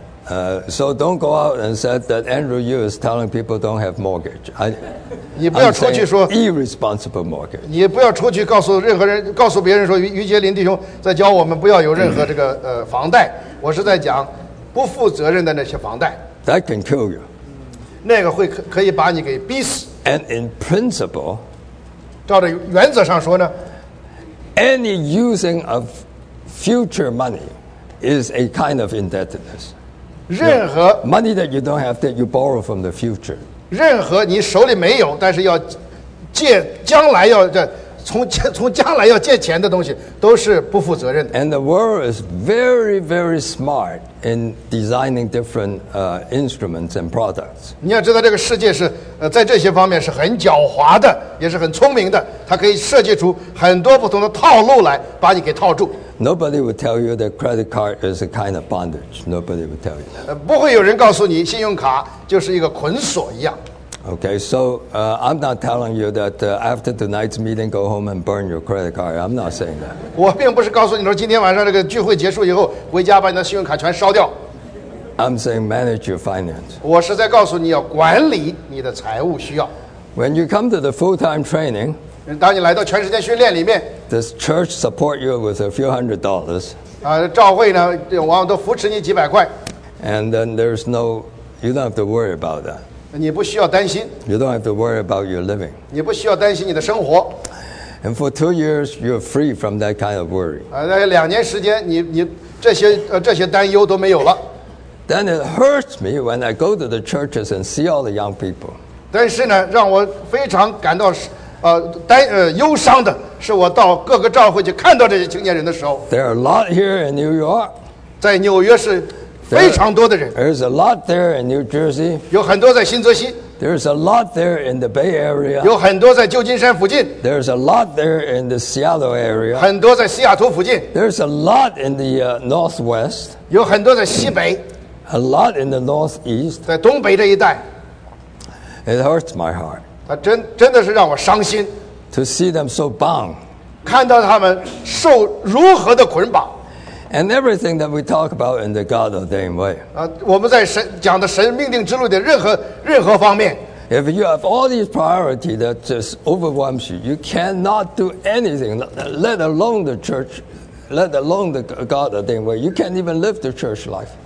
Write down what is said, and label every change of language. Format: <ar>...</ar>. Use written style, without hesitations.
<en>And so don't go out and say that Andrew Yu is telling people don't have mortgage. Irresponsible mortgage.</en> <zh>你不要出去告诉任何人，告诉别人说于杰林弟兄在教我们不要有任何这个房贷。我是在讲不负责任的那些房贷。</zh> <en>That can kill you.</en> <zh>那个会可以把你给逼死。</zh> <en>And in principle,</en> <zh>照着原则上说呢</zh> <en>，any using of future money is a kind of indebtedness.</en> <zh>任何</zh> <en>money that you don't have that you borrow from the future，</en> <zh>任何你手里没有但是要借将来要从将来要借钱的东西都是不负责任的。</zh> <en>And the world is very very smart in designing different instruments and products。</en> <zh>你要知道这个世界是在这些方面是很狡猾的，也是很聪明的，它可以设计出很多不同的套路来把你给套住。</zh> <en>Nobody would tell you that credit card is a kind of bondage. Nobody would tell you that.</en> <zh>不会有人告诉你信用卡就是一个捆锁一样。</zh> <en>Okay, so I'm not telling you that after tonight's meeting, go home and burn your credit card. I'm not saying that.</en> <zh>我并不是告诉你说今天晚上这个聚会结束以后回家把你的信用卡全烧掉。</zh> <en>I'm saying manage your finance.</en> <zh>我是在告诉你要管理你的财务需要。</zh> <en>When you come to the full-time training.</en> <zh>当你来到全时间训练里面</zh> <en>，This church support you with a few hundred dollars.</en> <zh>教会呢，往往都扶持你几百块。</zh> <en>And then there's no, you don't have to worry about that.</en> <zh>你不需要担心。</zh> <en>You don't have to worry about your living.</en> <zh>你不需要担心你的生活。</zh> <en>And for 2 years, you're free from that kind of worry.</en> <zh>两年时间，你这些担忧都没有了。</zh> <en>Then it hurts me when I go to the churches and see all the young people.</en> <zh>但是呢，让我非常感到忧伤的是我到各个教会去看到这些青年人的时候</zh> <en>There are a lot here in New York</en> <zh>在纽约是非常多的人</zh> <en>There's a lot there in New Jersey</en> <zh>有很多在新泽西</zh> <en>There's a lot there in the Bay Area</en> <zh>有很多在旧金山附近</zh> <en>There's a lot there in the Seattle area</en> <zh>很多在西雅图附近</zh> <en>There's a lot in the Northwest</en> <zh>有很多在西北</zh> <en>A lot in the Northeast</en> <zh>在东北这一带</zh> <en>It hurts my heart</en> <zh>真的是让我伤心。</zh> <en>To see them so bound，</en> <zh>看到他们受如何的捆绑。</zh> <en>And everything that we talk about in the God ordained way，</en> <zh>我们在神讲的神命定之路的任何方面。</zh> <en>If you have all these priorities that just overwhelms you， you cannot do anything， let alone the church， let alone the God ordained way， you can't even live the church life。</en>